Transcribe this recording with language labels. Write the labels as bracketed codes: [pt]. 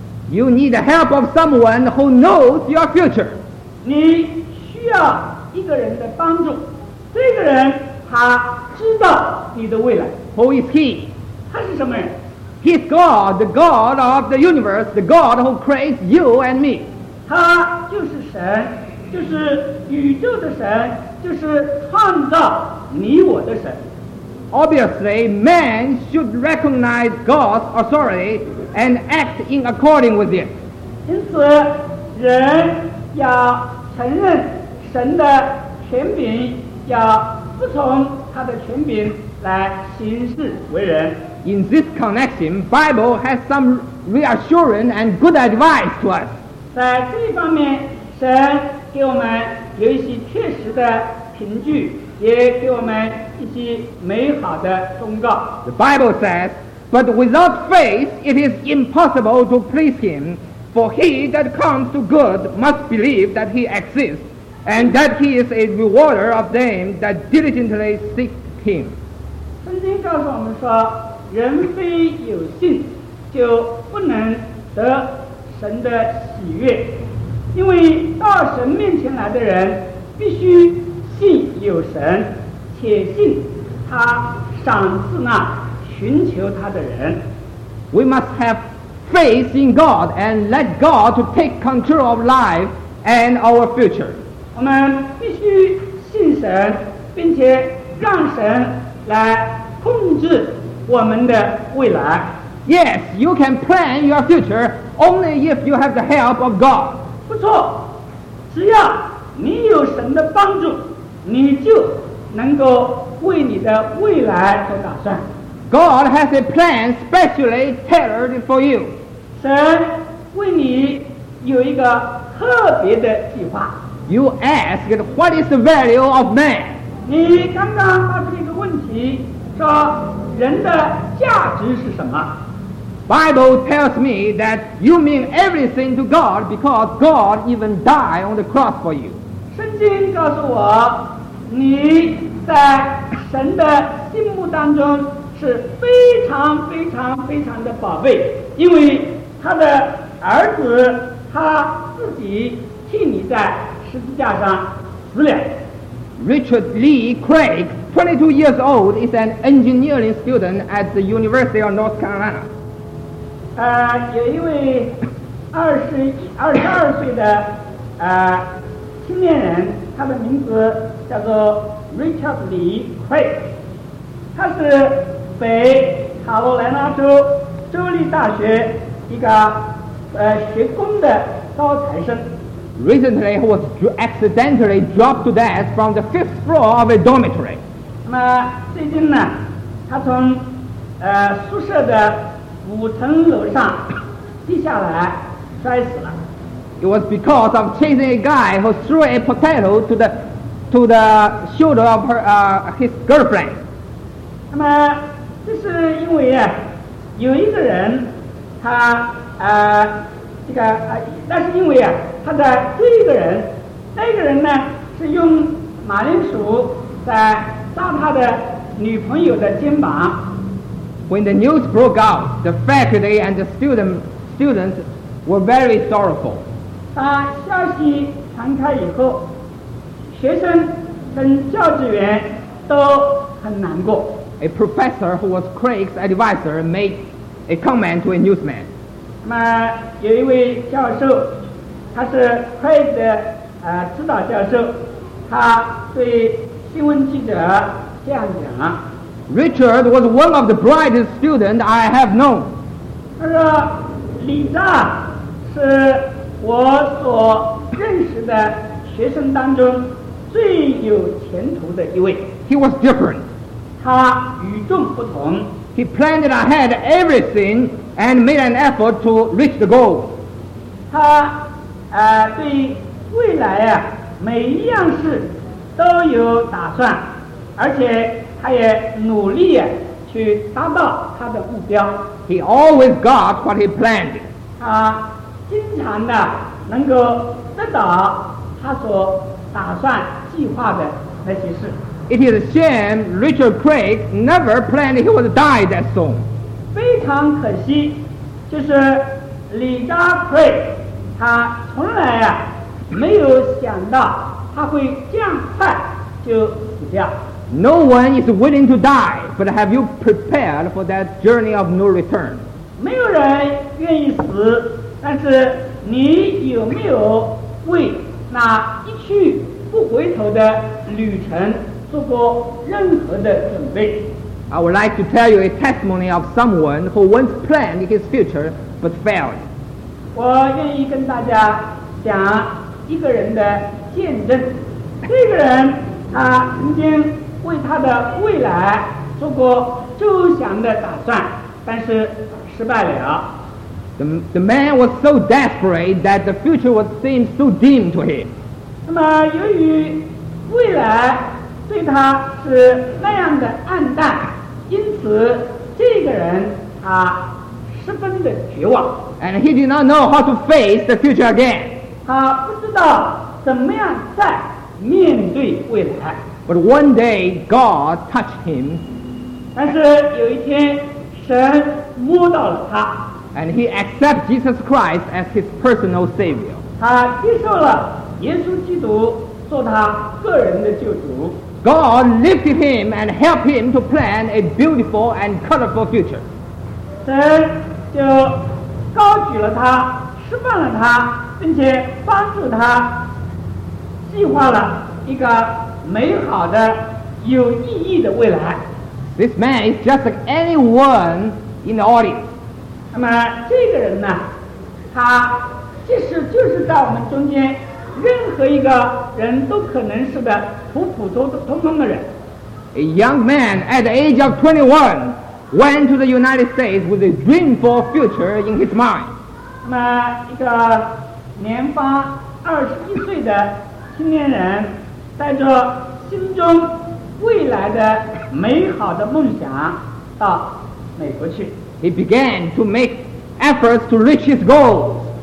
[en] You need the help of someone who knows your future. [zh] 你需要一个人的帮助，这个人他知道你的未来。 [en] Who is he? [zh] 他是什么人？ [en] He's God, the God of the universe, the God who creates you and me. [zh] 他就是神，就是宇宙的神，就是创造你我的神。 [en] Obviously, man should recognize God's authority and act in according with it. [zh] 因此人要承认神的权柄，要服从他的权柄来行事为人。 [en] In this connection, Bible has some reassurance and good advice to us. [zh] 在这一方面，神给我们有一些确实的凭据，也给我们一些美好的忠告。 [en] The Bible says, But without faith it is impossible to please him, for he that comes to good must believe that he exists, and that he is a rewarder of them that diligently seek him. [zh] 圣经告诉我们说，人非有信就不能得神的喜悦，因为到神面前来的人必须信有神，且信他赏赐那寻求他的人。 [en] We must have faith in God and let God to take control of life and our future. [zh] 我们必须信神，并且让神来控制我们的未来。 [en] Yes, you can plan your future only if you have the help of God. [zh] 不错，只要你有神的帮助，你就能够为你的未来做打算。 [en] God has a plan specially tailored for you. [zh] 神为你有一个特别的计划。 [en] You asked what is the value of man? [zh] 你刚刚发出一个问题，说人的价值是什么？ [en] Bible tells me that you mean everything to God because God even died on the cross for you. [zh] 圣经告诉我，你在神的心目当中是非常非常非常的宝贝，因为他的儿子他自己替你在十字架上死了。 [en] Richard Lee Craig, 22 years old, is an engineering student at the University of North Carolina. [zh] 有一位二十二岁的青年人，他的名字叫做 Richard Lee Craig， 他是北卡罗来纳州州立大学一个学工的高材生。 [en] Recently, he was accidentally dropped to death from the fifth floor of a dormitory. [zh] 那么最近呢，他从宿舍的五层楼上地下来摔死了。 [en] It was because of chasing a guy who threw a potato to the shoulder of his girlfriend. [zh] 那么这是因为有一个人他这个那是因为啊，他的这个人，那个人呢是用马铃薯在砸他的女朋友的肩膀。 [en] When the news broke out, the faculty and the students were very sorrowful. [zh] 当消息传开以后，学生跟教职员都很难过。 [en] A professor who was Craig's advisor made a comment to a newsman. [zh] 那有一位教授，他是 Craig 的指导教授，他对新闻记者这样讲。 [en] Richard was one of the brightest students I have known. [zh] 他说，李扎是我所认识的学生当中最有前途的一位。 [en] He was different. [zh] 他与众不同。 [en] He planned ahead everything and made an effort to reach the goal. [zh] 他对未来啊每一样事都有打算，而且他也努力去达到他的目标。 [en] He always got what he planned. [zh] 他经常的能够得到他所打算计划的那些事。 [en] It is a shame Richard Craig never planned he would die that soon. [zh] 非常可惜，就是李扎克瑞他从来啊没有想到他会这样快就死掉。 [en] No one is willing to die, but have you prepared for that journey of no return? [zh] 没有人愿意死，但是你有没有为那一去不回头的旅程做过任何的准备？ [en] I would like to tell you a testimony of someone who once planned his future but failed. [zh] 我愿意跟大家讲一个人的见证。这个人他曾经为他的未来做过周详的打算，但是失败了。 [en] The man was so desperate that the future would seem so dim to him. [zh] 那么由于未来对他是那样的暗淡，因此这个人他十分的绝望。 [en] And he did not know how to face the future again. [zh] 他不知道怎么样再面对未来。 [en] But one day, God touched him. [zh] 但是有一天，神摸到了他。 [en] And he accepted Jesus Christ as his personal savior. [zh] 他接受了耶稣基督做他个人的救主。 [en] God lifted him and helped him to plan a beautiful and colorful future. [zh] 神就高举了他，释放了他，并且帮助他计划了一个美好的有意义的未来。 [en] This man is just like anyone in the audience. [zh] 那么这个人呢，他即使就是在我们中间任何一个人都可能是的普通的人。 [en] A young man at the age of 21 went to the United States with a dream for future in his mind. [zh] 那么一个年方21岁的青年人带着心中未来的美好的梦想到美国去。 [en] He began to make efforts to reach his goals.